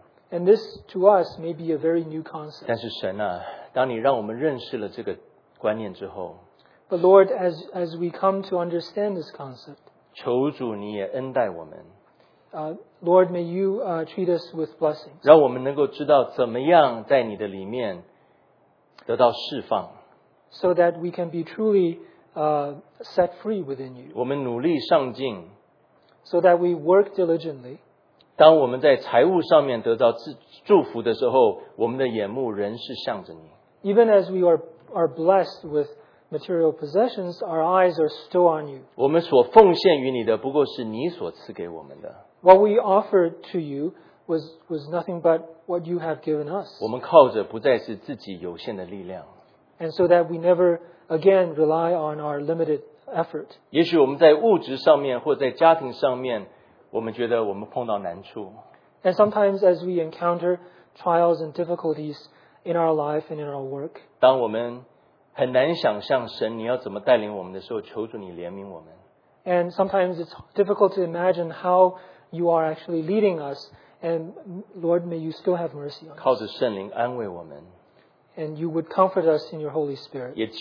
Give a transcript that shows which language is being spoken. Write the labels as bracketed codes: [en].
[en] And this to us may be a very new concept. [zh] 但是神啊, 当你让我们认识了这个观念之后, [en] but Lord, as we come to understand this concept, [zh] 求主你也恩待我们, [en] Lord, may you treat us with blessings. [zh] 让我们能够知道怎么样在你的里面 得到释放, [en] so that we can be truly set free within you. [zh] 我们努力上进, [en] so that we work diligently. [zh] 当我们在财务上面得到祝福的时候, 我们的眼目仍是向着你。 [en] Even as we are blessed with material possessions, our eyes are still on you. [zh] 我们所奉献于你的不过是你所赐给我们的。 [en] What we offered to you was nothing but what you have given us. [zh] 我们靠着不再是自己有限的力量。 [en] And so that we never again rely on our limited effort. [zh] 也许我们在物质上面或在家庭上面, 我们觉得我们碰到难处。 [en] And sometimes as we encounter trials and difficulties in our life and in our work, [zh] 当我们很难想象神你要怎么带领我们的时候, 求主你怜悯我们。 [en] And sometimes it's difficult to imagine how you are actually leading us, and Lord, may you still have mercy on us. [zh] 靠着圣灵安慰我们。 [en] And you would comfort us in your Holy Spirit.